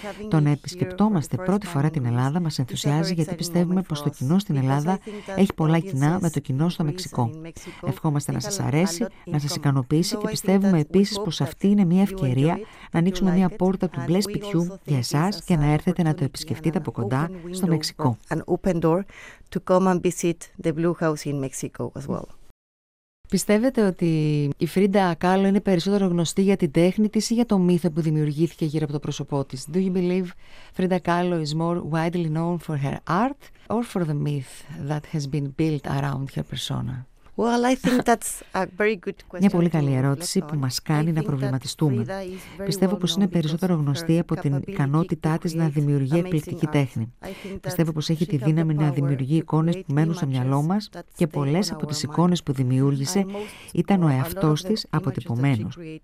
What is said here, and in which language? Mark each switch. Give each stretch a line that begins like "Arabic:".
Greek: Το να επισκεπτόμαστε πρώτη φορά την Ελλάδα μας ενθουσιάζει γιατί πιστεύουμε πως το κοινό στην Ελλάδα έχει πολλά κοινά με το κοινό στο Μεξικό. Ευχόμαστε να σας αρέσει, να σας ικανοποιήσει και πιστεύουμε επίσης πως αυτή είναι μια ευκαιρία να ανοίξουμε μια πόρτα του μπλε σπιτιού για εσάς και να έρθετε να το επισκεφτείτε από κοντά στο Μεξικό.
English: To come and visit the Blue House in Mexico as well.
Greek: Πιστεύετε ότι η Φρίντα Κάλλο είναι περισσότερο γνωστή για την τέχνη της ή για το μύθο που δημιουργήθηκε γύρω από το πρόσωπό της?
English: Do you believe Frida Kahlo is more widely known for her art or for the myth that has been built around her persona? Well, I think that's a very good question.
Greek: Μια πολύ καλή ερώτηση που μας κάνει να προβληματιστούμε. Πιστεύω πως είναι περισσότερο γνωστή από την ικανότητά της να δημιουργεί εκπληκτική τέχνη. Πιστεύω πως έχει τη δύναμη να δημιουργεί εικόνες που μένουν στο μυαλό μας και πολλές από τις εικόνες που δημιούργησε ήταν ο εαυτός της αποτυπωμένος.